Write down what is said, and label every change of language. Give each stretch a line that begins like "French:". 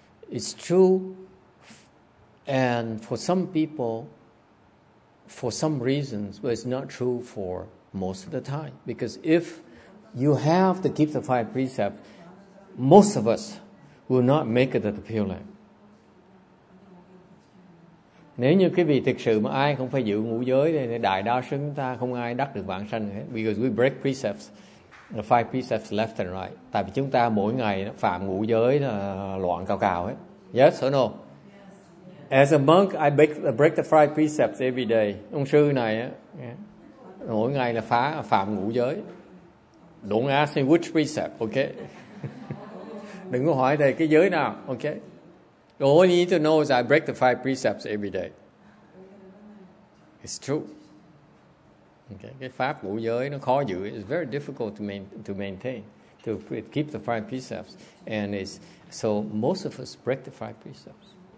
English: It's true, and for some people, for some reasons, but it's not true for most of the time. Because if you have to keep the five precepts, most of us will not make it at the Pure Land.
Vietnamese: Nếu như quý vị thực sự mà ai không phải giữ ngũ giới thì đại đa số chúng ta không ai đắc được vãng sanh hết.
English: Because we break precepts, the five precepts left and right.
Vietnamese: Tại vì chúng ta mỗi ngày phạm ngũ giới là loạn cào cào hết.
English: Yes or no? As a monk, I break the five precepts every day.
Vietnamese: Ông sư này á, mỗi ngày là phạm ngũ giới.
English: Don't ask me which precept, okay?
Vietnamese: Đừng có hỏi thầy cái giới nào, okay?
English: All you need to know is I break the five precepts every day. It's true.
Vietnamese: Okay, cái pháp ngũ giới nó khó giữ.
English: It's very difficult to maintain, to keep the five precepts, and it's. So most of us break the five precepts.